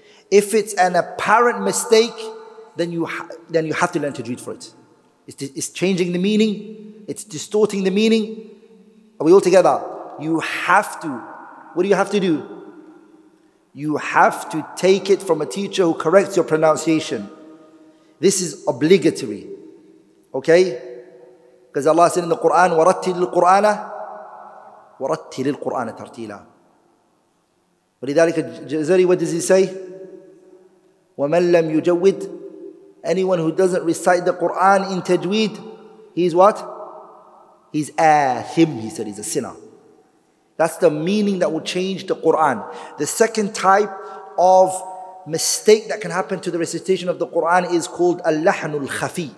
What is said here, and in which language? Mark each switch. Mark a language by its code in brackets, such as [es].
[en] If it's an apparent mistake, then you have to learn tajweed for it. It's changing the meaning. It's distorting the meaning. Are we all together? You have to. What do you have to do? You have to take it from a teacher who corrects your pronunciation. This is obligatory. Okay? Because Allah said in the Qur'an, [ar] وَرَتِّلِ الْقُرْآنَ وَرَتِّلِ الْقُرْآنَ تَرْتِيلًا وَلِذَلِكَ جَزَرِي. [en] What does he say? [ar] وَمَنْ لَمْ يُجَوِّدْ. [en] Anyone who doesn't recite the Qur'an in tajweed, he's what? He's athim, he said, he's a sinner. That's the meaning that will change the Qur'an. The second type of mistake that can happen to the recitation of the Qur'an is called al-lahnu al-khafi.